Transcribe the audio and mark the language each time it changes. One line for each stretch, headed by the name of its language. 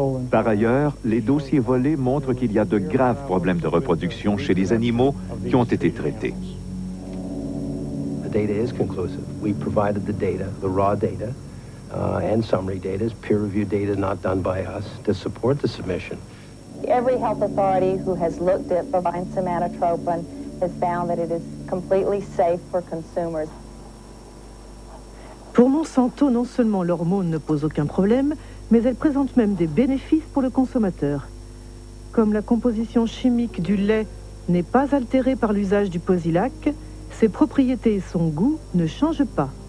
French: Par ailleurs, les dossiers volés montrent qu'il y a de graves problèmes de reproduction chez les animaux qui ont été traités.
English: The data is conclusive. We provided the data, the raw data. And summary data, peer-reviewed data not done by us, to support the submission. Every health authority who has looked at bovine somatotropin has found that it is completely safe for consumers.
French: Pour Monsanto, non seulement l'hormone ne pose aucun problème, mais elle présente même des bénéfices pour le consommateur. Comme la composition chimique du lait n'est pas altérée par l'usage du posilac, ses propriétés et son goût ne changent pas.